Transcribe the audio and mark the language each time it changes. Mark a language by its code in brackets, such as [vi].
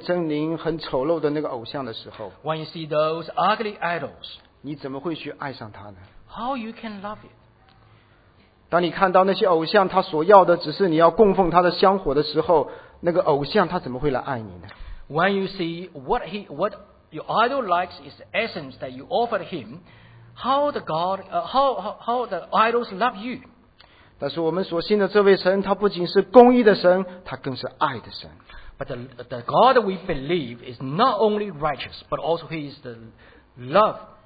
[zh] 当你看见那个面目狰狞、很丑陋的那个偶像的时候, [en] when you see those ugly idols, [zh] 你怎么会去爱上他呢? [en] How you can love it? [zh] 当你看到那些偶像,他所要的只是你要供奉他的香火的时候, 那个偶像他怎么会来爱你呢? [en] When you see what your idol likes is the essence that you offer him, how the idols love you? [zh] 但是我们所信的这位神,他不仅是公义的神,他更是爱的神。 [en] But the God we believe is not only righteous, but also he is the love.